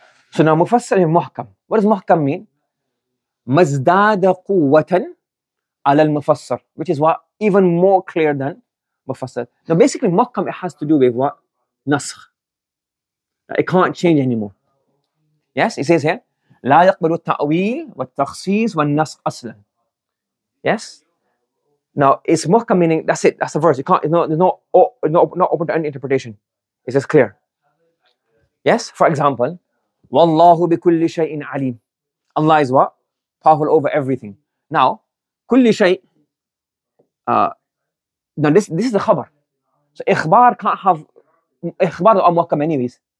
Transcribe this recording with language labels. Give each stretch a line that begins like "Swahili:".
English: So now مفصل المحكم. What does محكم mean?
Arabic: مزداد قوة على المفصل.
English: Which is what? Even more clear than مفصل. Now basically محكم, it has to do with what? نسخ. It can't change anymore. Yes? It says here,
Arabic: لا يقبل التأويل والتخصيص والنسخ أصلا.
English: Yes? Now it's محكم meaning, that's it, that's the verse. You can't, it's not open to any interpretation. It's just clear. Yes? For example,
Arabic: والله بكل شيء عليم.
English: Allah is what? Powerful over everything. Now, كل شيء. Now this is the khabar. So إخبار can't have إخبار أو محكم anyways.